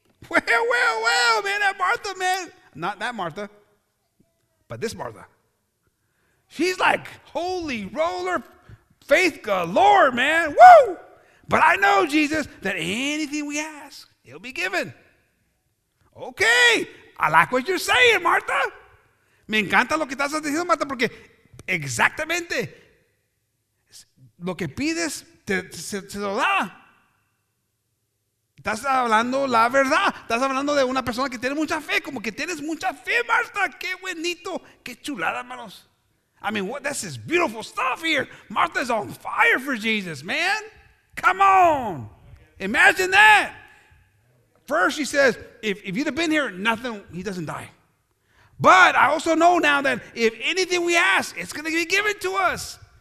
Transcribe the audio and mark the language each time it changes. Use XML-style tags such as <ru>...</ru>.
<en>Well, man, that Martha, man. Not that Martha, but this Martha. She's like, holy roller, faith galore, man. Woo! But I know, Jesus, that anything we ask, it'll be given. Okay, I like what you're saying, Martha.</en> <es>Me encanta lo que estás diciendo, Martha, porque exactamente lo que pides, se lo da. Estás hablando la verdad. Estás hablando de una persona que tiene mucha fe. Como que tienes mucha fe, Marta. Qué buenito. Qué chulada, hermanos.</es> <en>I mean, what, this is beautiful stuff here. Martha's on fire for Jesus, man. Come on. Imagine that. First, she says, if you'd have been here, nothing, he doesn't die. But I also know now that if anything we ask, it's going to be given to us.</en>